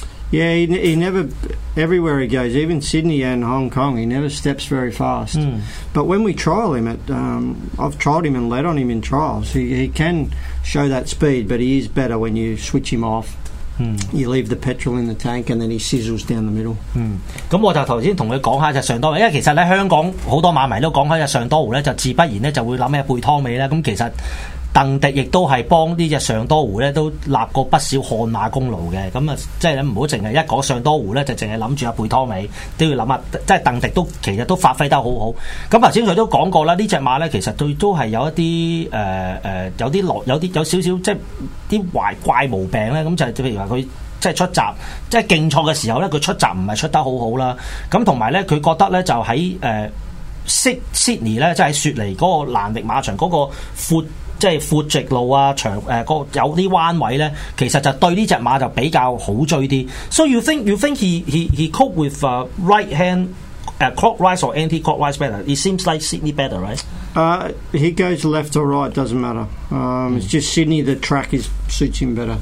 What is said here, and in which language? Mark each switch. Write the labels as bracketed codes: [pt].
[en] Yeah, he never, everywhere he goes, even Sydney and Hong Kong, he never steps very fast. Mm. But when we trial him, I've trialed him and led on him in trials. He can show that speed, but he is better when you switch him off. Mm. You leave the petrol in the tank and then he sizzles down the middle. [yue] 咁我就头先同佢讲下就上多，因为其实咧香港好多马迷都讲开就上多湖咧，就自不然咧就会谂起贝汤美咧。咁其实邓迪亦都系帮呢只上多湖咧都立过不少汗马功劳嘅。咁啊，即系唔好净系一讲上多湖咧，就净系谂住阿贝汤美，都要谂下，即系邓迪都其实都发挥得好好。咁头先佢都讲过啦，呢只马咧其实都系有一啲有少少即系啲怪毛病咧。咁就系譬如话佢即系出闸，即系竞赛嘅时候咧，佢出闸唔系出得好好啦。咁同埋咧，佢觉得咧就喺Sydney 咧，即系喺雪梨嗰个兰力马场嗰个阔。即系阔直路啊，长有啲弯位咧，其实就对呢只马就比较好追啲。 [en] So you think he cope with right hand clockwise or anti clockwise better? It seems like Sydney better, right? He goes left or right, doesn't matter. It's just Sydney, the track is suits him better.